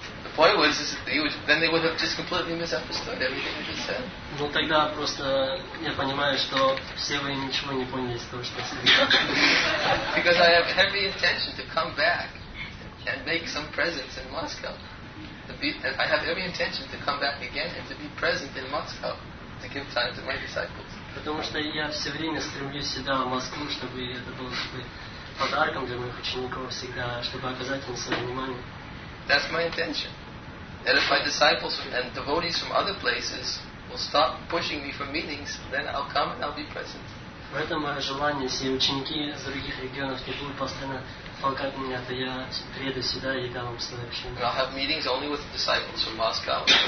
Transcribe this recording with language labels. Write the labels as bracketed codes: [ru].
[en] The point was, is that they would have just completely misunderstood everything you just said. [ru] Ну тогда просто я понимаю, что все вы ничего не поняли из того, что сказали. [en] Because I have every intention to come back and make some presence in Moscow. I have every intention to come back again and to be present in Moscow to give time to my disciples. [ru] Потому что я все время стремлюсь сюда в Москву, чтобы это было подарком для моих учеников всегда, чтобы оказать им свое внимание. [en] That's my intention. That if my disciples and devotees from other places will stop pushing me for meetings, then I'll come and I'll be present. [ru] В этом мое желание, если ученики из других регионов не будут постоянно толкать меня, то я приеду сюда и дам вам свое общение. [en] I'll have meetings only with the disciples from Moscow.